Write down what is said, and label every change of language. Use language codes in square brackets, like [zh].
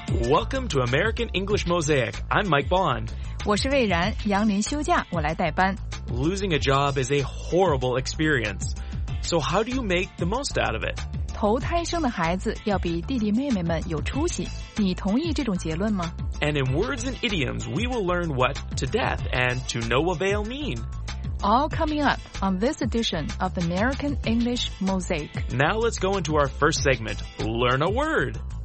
[en] Welcome to American English Mosaic. I'm Mike Bond. [zh] 我是魏然，杨林休假，我来代班。 [en] Losing a job is a horrible experience. So how do you make the most out of it? [zh] 头胎生的孩子要比弟弟妹妹们有出息，你同意这种结论吗？ [en] And in words and idioms, we will learn what to death and to no avail mean. All coming up on this edition of American English Mosaic. Now let's go into our first segment, Learn a Word.